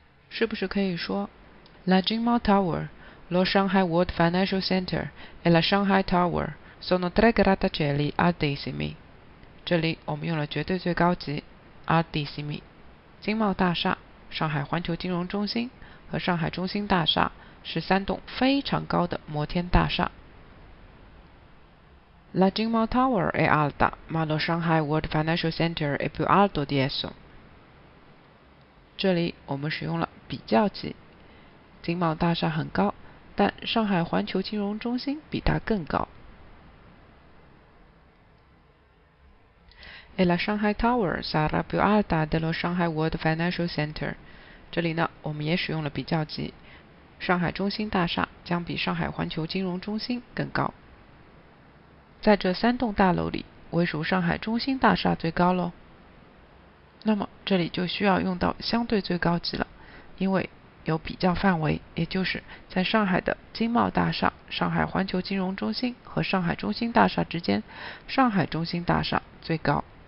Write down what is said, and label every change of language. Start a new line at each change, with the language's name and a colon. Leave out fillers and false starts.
Chinese: 是不是可以说
Italian: La Jingmao Tower, lo Shanghai World Financial Center e la Shanghai Tower sono tre grattacieli altissimi?
Chinese: 这里我们用了绝对最高级 altissimi, 经贸大厦、上海环球金融中心和上海中心大厦是三栋非常高的摩天大厦。
Italian: La Jingmao Tower è alta, ma lo Shanghai World Financial Center è più alto di esso.
Chinese: 这里我们使用了比较级，经贸大厦很高，但上海环球金融中心比它更高。
Italian: E la Shanghai Tower sarà più alta dello Shanghai World Financial Center.
Chinese: 这里呢，我们也使用了比较级，上海中心大厦将比上海环球金融中心更高。在这三栋大楼里，唯属上海中心大厦最高咯。那么这里就需要用到相对最高级了，因为有比较范围，也就是在上海的经贸大厦、上海环球金融中心和上海中心大厦之间，上海中心大厦最高。